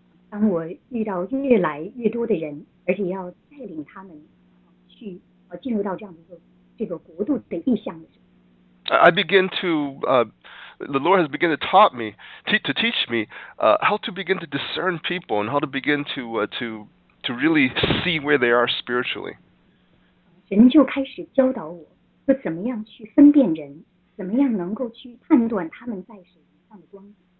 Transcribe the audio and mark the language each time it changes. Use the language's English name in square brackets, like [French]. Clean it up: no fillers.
[Chinese] 当我遇到越来越多的人，而且要带领他们去进入到这样的这个国度的意向的时候 [English] ，I begin to The Lord has begun to taught me to teach me how to begin to discern people and how to begin to really see where they are spiritually. [Chinese] 神就开始教导我，说怎么样去分辨人，怎么样能够去判断他们在属灵上的光景。